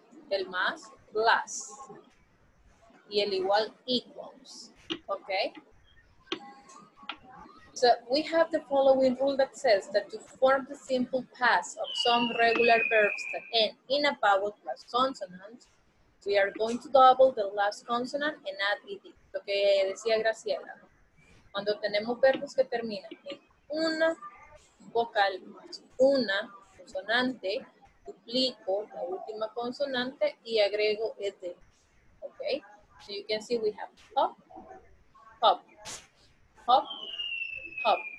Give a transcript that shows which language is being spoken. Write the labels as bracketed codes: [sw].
[es] El más, plus. Y el igual, equals. Okay? [en] So we have the following rule that says that to form the simple past of some regular verbs that end in a vowel plus consonant, we are going to double the last consonant and add ed. [es] Lo que decía Graciela, cuando tenemos verbos que terminan en una vocal más una consonante, duplico la última consonante y agrego ed. [en] Okay? So you can see we have hop, hop, hop, hop.